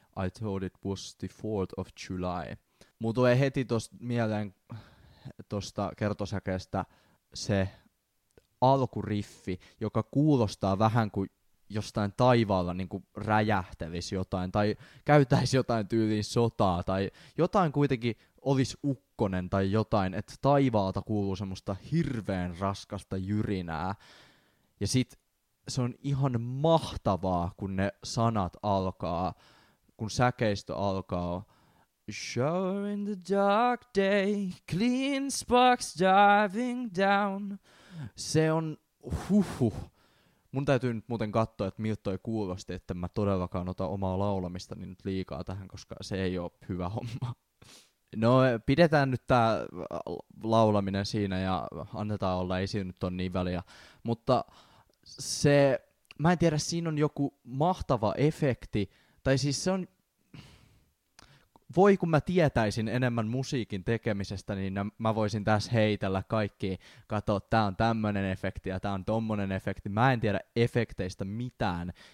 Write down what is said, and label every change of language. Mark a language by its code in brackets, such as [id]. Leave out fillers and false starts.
[en] I thought it was the 4th of July. [fi] Mun tulee heti tosta mieleen tosta kertosäkeestä se alkuriffi, joka kuulostaa vähän kuin jostain taivaalla niin kuin räjähtelisi jotain tai käytäisi jotain tyyliin sotaa tai jotain kuitenkin olisi ukkonen tai jotain, että taivaalta kuuluu semmoista hirveän raskasta jyrinää. Ja sit se on ihan mahtavaa, kun ne sanat alkaa, kun säkeistö alkaa. [en] Show in the dark day, clean sparks diving down. [fi] Se on huhuh. Mun täytyy nyt muuten katsoa, että miltä toi kuulosti, että mä todellakaan otan omaa laulamista niin nyt liikaa tähän, koska se ei oo hyvä homma. No, pidetään nyt tää laulaminen siinä ja annetaan olla, ei siinä nyt on niin väliä. Mutta se, mä en tiedä, siinä on joku mahtava efekti, tai siis se on, voi kun mä tietäisin enemmän musiikin tekemisestä, niin mä voisin tässä heitellä kaikki, kato, tää on tämmönen efekti ja tää on tommonen efekti, mä en tiedä efekteistä mitään,